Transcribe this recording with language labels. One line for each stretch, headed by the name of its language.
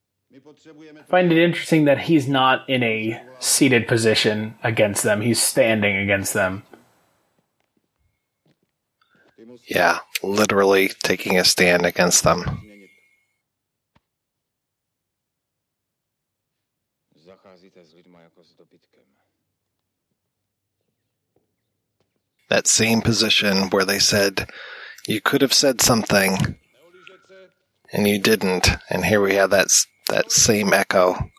English: I find it interesting that he's not in a seated position against them. He's standing against them. Yeah, literally taking a stand against them.
Czech: Zacházíte s lidmi jako s dobytkem.
English: That same position where they said, you could have said something, and you didn't. And here we have that same echo.